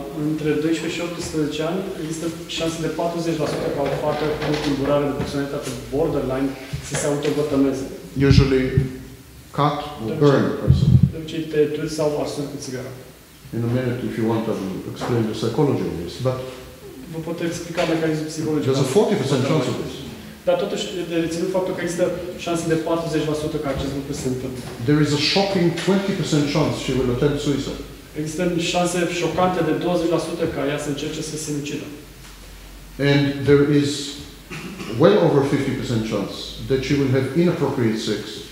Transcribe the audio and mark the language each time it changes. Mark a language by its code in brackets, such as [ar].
[ro] Între 12 și 18 ani există șanse de 40% ca o fată cu tulburare de personalitate borderline să se autovătămeze. [en] Usually cut or burn a person. [ro] De obicei tăieturi sau arsuri cu țigara. [en] In a minute, if you want, I will explain the psychology of this, but [ro] vă pot explica mecanismul psihologic. [en] There's a 40% chance of this. [ro] Dar totuși, de reținut faptul că există șanse de 40% ca acest lucru se întâmplă. [en] There is a shocking 20% chance she will attempt suicide. [ro] Există șanse șocante de 20% ca ea să încerce să se sinucidă. [en] And there is well over 50% chance that she will have inappropriate sex.